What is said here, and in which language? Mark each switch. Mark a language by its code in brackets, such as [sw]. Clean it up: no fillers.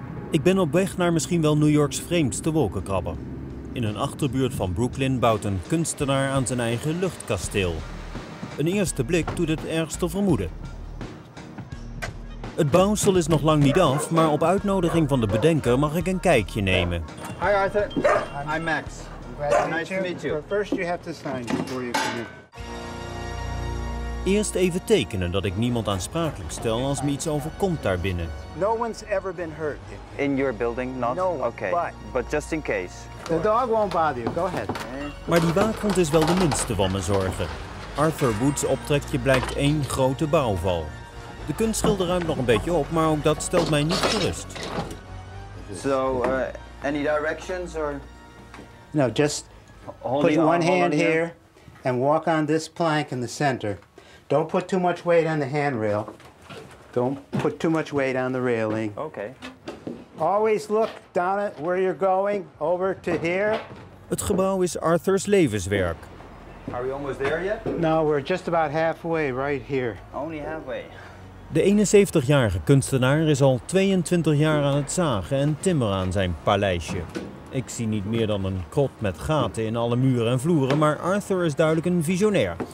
[nl] Ik ben op weg naar misschien wel New York's vreemdste wolkenkrabber. In een achterbuurt van Brooklyn bouwt een kunstenaar aan zijn eigen luchtkasteel. Een eerste blik doet het ergste vermoeden. Het bouwsel is nog lang niet af, maar op uitnodiging van de bedenker mag ik een kijkje nemen. [en] Hi Arthur, I'm Max. Nice to meet you. But first you have to sign before you come in. [nl] Eerst even tekenen dat ik niemand aansprakelijk stel als me iets overkomt daarbinnen. [en] No one's ever been hurt. In your building? Not? No. Okay. But just in case. The dog won't bother you. Go ahead. [nl] Maar die waakhond is wel de minste van mijn zorgen. Arthur Wood's optrekje blijkt één grote bouwval. De kunstschilder ruimt nog een beetje op, maar ook dat stelt mij niet gerust. [en] So, any directions or? No, just put one hand here and walk on this plank in the center. Don't put too much weight on the handrail. Don't put too much weight on the railing. Okay. Always look down at where you're going, over to here. [nl] Het gebouw is Arthur's levenswerk. [en] Are we almost there yet? No, we're just about halfway, right here. Only halfway. [nl] De 71-jarige kunstenaar is al 22 jaar aan het zagen en timmeren aan zijn paleisje. Ik zie niet meer dan een krot met gaten in alle muren en vloeren, maar Arthur is duidelijk een visionair.